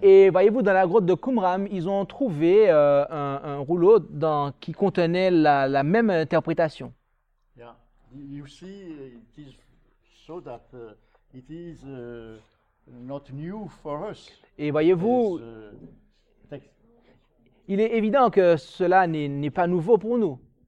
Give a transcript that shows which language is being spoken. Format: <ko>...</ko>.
<fr>Et voyez-vous, dans la grotte de Qumran, ils ont trouvé un rouleau qui contenait la même interprétation.</fr> <en>You see, it is so that it is not new for us</en> <fr>Et voyez-vous,</fr> <en>as text.</en> <fr>il est évident que cela n'est pas nouveau pour nous.</fr>